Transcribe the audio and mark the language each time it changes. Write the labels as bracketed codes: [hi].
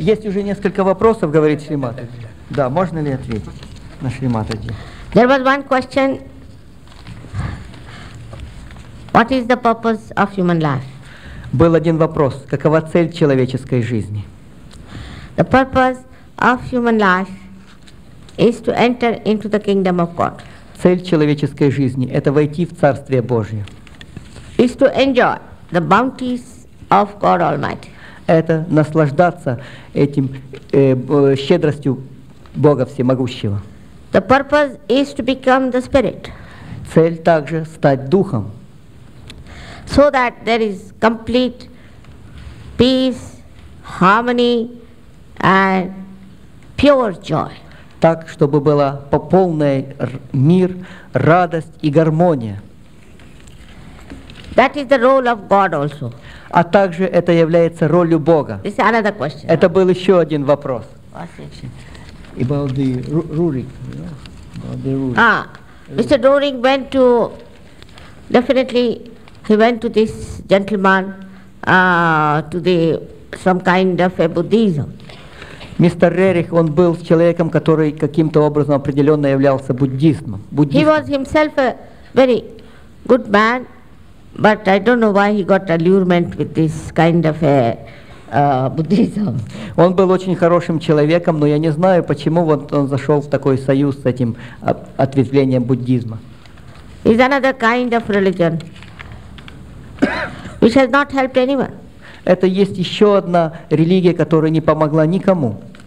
[ru] Есть уже несколько вопросов, говорит Шриматаджи. Да, можно ли ответить на Шриматаджи? [en] There was one question. What is the purpose of human life? [ru] Был один вопрос. Какова цель человеческой жизни? [en] The purpose of human life is to enter into the kingdom of God. [ru] Цель человеческой жизни – это войти в Царствие Божие. [en] Is to enjoy the bounties of God Almighty. [ru] Это наслаждаться этим щедростью Бога Всемогущего. [en] The purpose is to become the Spirit. [ru] Цель также – стать Духом. [en] So that there is complete peace, harmony, and pure joy. [ru] Так, чтобы была полный мир, радость и гармония. [en] That is the role of God also. [ru] А также это является ролью Бога. [en] This is another question. [ru] Это был еще один вопрос. [en] About the Rurik. Mr. Rurik went to definitely. He went to this gentleman to the some kind of a Buddhism. [ru] Мистер Рерих, он был человеком, который каким-то образом определенно являлся буддизмом. [en] He was himself a very good man, but I don't know why he got allurement with this kind of a Buddhism. [ru] Он был очень хорошим человеком, но я не знаю, почему вот он зашел в такой союз с этим ответвлением буддизма. [en] It's another kind of religion. Which has not helped anyone. [ru] Это есть еще одна религия, которая не помогла никому.